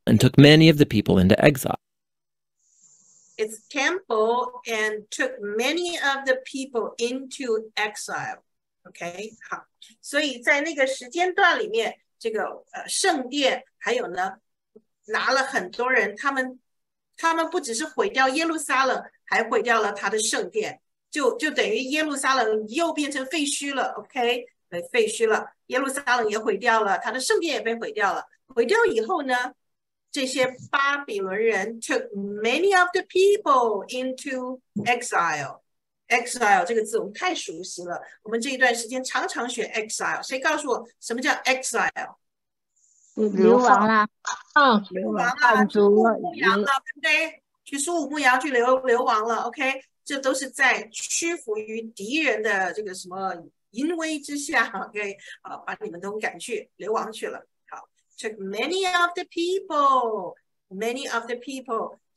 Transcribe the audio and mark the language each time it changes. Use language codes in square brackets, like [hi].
[en] and took many of the people into exile Its temple and took many of the people into exile. [zh] Okay, 好，所以在那个时间段里面，这个圣殿还有呢，拿了很多人，他们不只是毁掉耶路撒冷，还毁掉了他的圣殿，就等于耶路撒冷又变成废墟了。 Okay, 废墟了，耶路撒冷也毁掉了，他的圣殿也被毁掉了。毁掉以后呢？这些巴比伦人 [en] took many of the people into exile. [zh] Exile 这个字我们太熟悉了，我们这一段时间常常学 exile。谁告诉我什么叫 exile？流亡啦，流亡啦，去牧羊了，对不对？去苏武牧羊去流亡了 ，OK？这都是在屈服于敌人的这个什么淫威之下 ，OK？啊，把你们都赶去流亡去了。 [en] Took many of the people, many of the people.